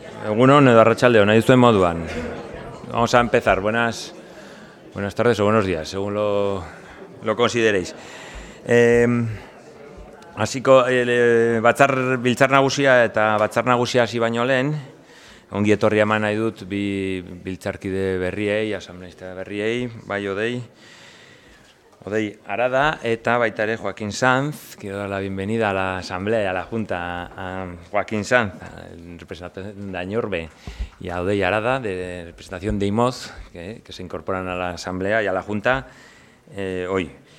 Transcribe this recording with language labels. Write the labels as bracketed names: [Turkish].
[Basque] Egunon edo arratsaldeon, nahi duzuen moduan. [Spanish] Vamos a empezar. Buenas tardes o buenos días, según lo consideréis. [Basque] Hasiko biltzar nagusia eta batzar nagusia hasi baino lehen, ongi etorri eman nahi dut bi biltzarkide berriei, asamblea berriei, bai odei. [Spanish] Odei Arada [Basque] eta baita ere [Spanish] Joaquín Sanz, quiero dar la bienvenida a la asamblea, a la junta, a Joaquín Sanz, representante de Añorbe, y a Odei Arada, de representación de IMOZ, que se incorporan a la asamblea y a la junta hoy.